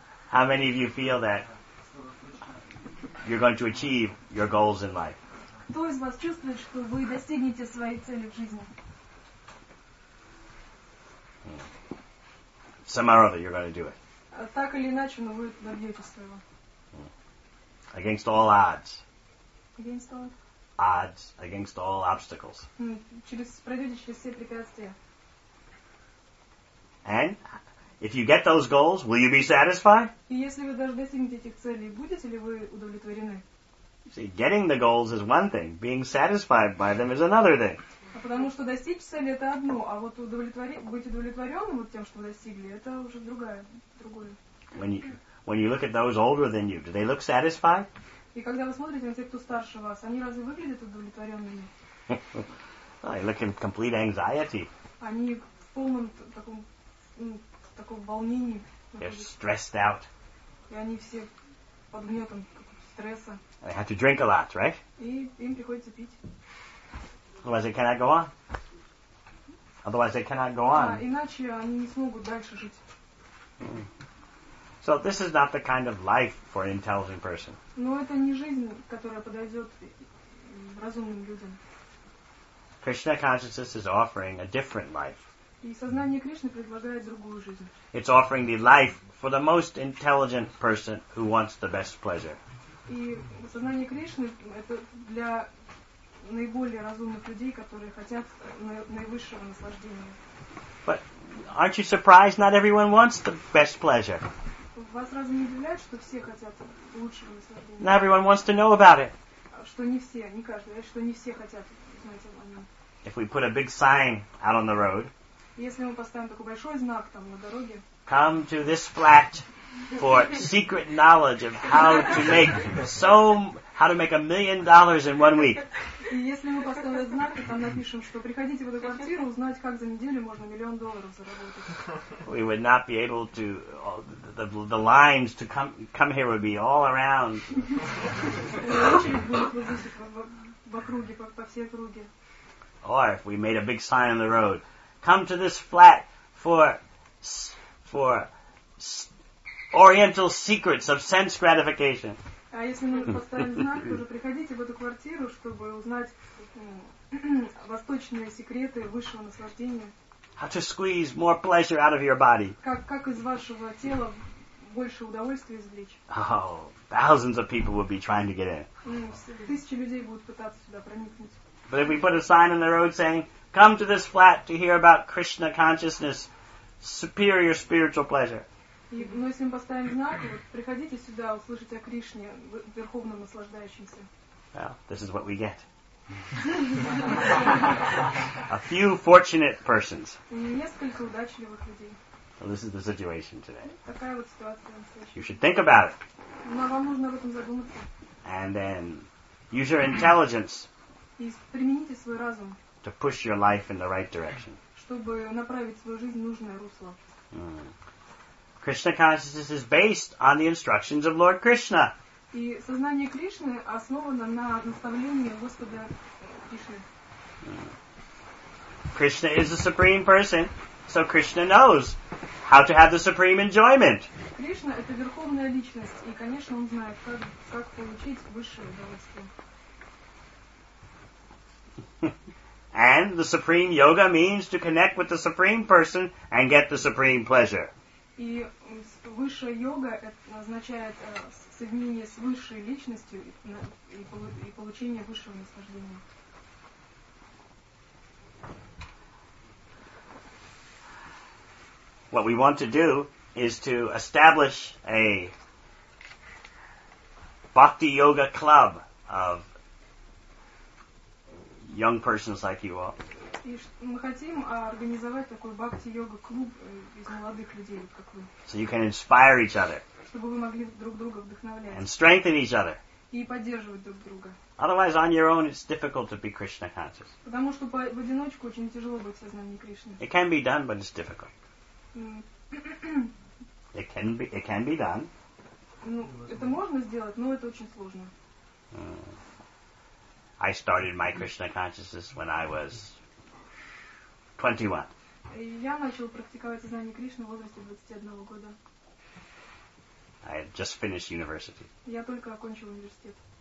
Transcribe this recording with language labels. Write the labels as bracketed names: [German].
[English] How many of you feel that you're going to achieve your goals in life? [Russian] Кто из вас чувствует, что вы достигнете своей цели в жизни? [English] Somehow or other, you're going to do it. [Russian] Так или иначе, но вы добьетесь своего. [English] Against all odds. Against all odds. Against all obstacles. [Russian] Пройдете через все препятствия. [English] And if you get those goals, will you be satisfied? [Russian] И если вы даже достигнете этих целей, будете ли вы удовлетворены? [English] See, getting the goals is one thing. Being satisfied by them is another thing. [Russian] А потому что достичь цели — это одно, а вот быть удовлетворенным вот тем, что вы достигли, это уже другое. [English] When you look at those older than you, do they look satisfied? [Russian] И когда вы смотрите на тех, кто старше вас, они разве выглядят удовлетворенными? [English] They look in complete anxiety. [Russian] Они в полном таком таком волнении. [English] They're stressed out. [Russian] И они все под гнетом стресса. [English] They have to drink a lot, right? [Russian] И им приходится пить. [English] Otherwise they cannot go on. Otherwise they cannot go on. [Russian] Иначе они не смогут дальше жить. [English] So this is not the kind of life for an intelligent person. [Russian] Но это не жизнь, которая подойдет разумным людям. [English] Krishna consciousness is offering a different life. [Russian] И сознание Кришны предлагает другую жизнь. [English] It's offering the life for the most intelligent person who wants the best pleasure. [Russian] И сознание Кришны — это для наиболее разумных людей, которые хотят наивысшего наслаждения. [English] But aren't you surprised not everyone wants the best pleasure? [Russian] Вас разве не удивляет, что все хотят лучшего наслаждения? [English] Not everyone wants to know about it. [Russian] Что не все, не каждый, что не все хотят знать о нем. [English] If we put a big sign out on the road. [Russian] Если мы поставим такой большой знак там на дороге. [English] Come to this flat for secret knowledge of how to make $1,000,000 in 1 week. [Russian] И если мы поставим знак, то там напишем, что приходите в эту квартиру, узнать, как за неделю можно $1,000,000 заработать. [English] We would not be able to, the lines to come here would be all around. [Russian] Очередь будет вот здесь, в округе, по всей округе. [English] Or if we made a big sign on the road, come to this flat for oriental secrets of sense gratification. [Russian] А если мы поставим знак, то уже приходите в эту квартиру, чтобы узнать восточные секреты высшего наслаждения. [English] How to squeeze more pleasure out of your body. [Russian] Как из вашего тела больше удовольствия извлечь? [English] Oh, thousands of people would be trying to get in. [Russian] Тысячи людей будут пытаться сюда проникнуть. [English] But if we put a sign on the road saying, come to this flat to hear about Krishna consciousness, superior spiritual pleasure. [Russian] И мы с ним поставим знак, вот приходите сюда, услышите о Кришне, верховном наслаждающемся. [English] Well, this is what we get. A few fortunate persons. [Russian] Несколько удачливых людей. [English] So this is the situation today. [Russian] Такая вот ситуация. [English] You should think about it. [Russian] Но вам нужно об этом задуматься. [English] And then use your intelligence. [Russian] И примените свой разум. [English] To push your life in the right direction. [Russian] Чтобы направить свою жизнь в нужное русло. [English] Krishna consciousness is based on the instructions of Lord Krishna. [Russian] И сознание Кришны основано на наставлении Господа Кришны. [English] Krishna is the supreme person, so Krishna knows how to have the supreme enjoyment. [Russian] Кришна это верховная личность, и, конечно, он знает, как получить высшее удовольствие. [English] And the supreme yoga means to connect with the supreme person and get the supreme pleasure. [Russian] И высшая йога означает соединение с высшей личностью и получение высшего наслаждения. [English] What we want to do is to establish a bhakti yoga club of young persons like you all. [Russian] И мы хотим организовать такой бхакти-йога-клуб из молодых людей, как вы. [English] So you can inspire each other. [Russian] Чтобы вы могли друг друга вдохновлять. [English] And strengthen each other. [Russian] И поддерживать друг друга. [English] Otherwise, on your own, it's difficult to be Krishna conscious. [Russian] Потому что в одиночку очень тяжело быть в сознании Кришны. [English] It can be done, but it's difficult. It can be done. [Russian] Ну, это можно сделать, но это очень сложно. [English] I started my Krishna consciousness when I was 21. [Russian] Я начал практиковать сознание Кришны в возрасте 21 года. [English] I had just finished university. [Russian] Я только окончил университет.